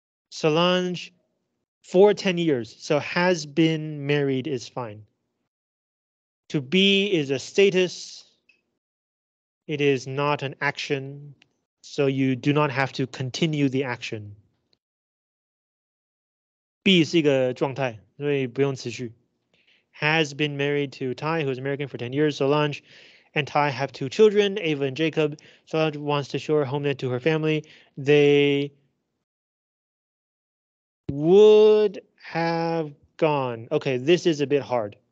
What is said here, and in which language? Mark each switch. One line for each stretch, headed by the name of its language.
English: Solange, for 10 years, so has been married is fine. To be is a status. It is not an action, so you do not have to continue the action.
Chinese: Be 是一个状态, 所以不用持续.
English: Has been married to Tai, who is American, for 10 years. Solange and Tai have two children, Ava and Jacob. Solange wants to show her homeland to her family. They would have gone. Okay, this is a bit hard.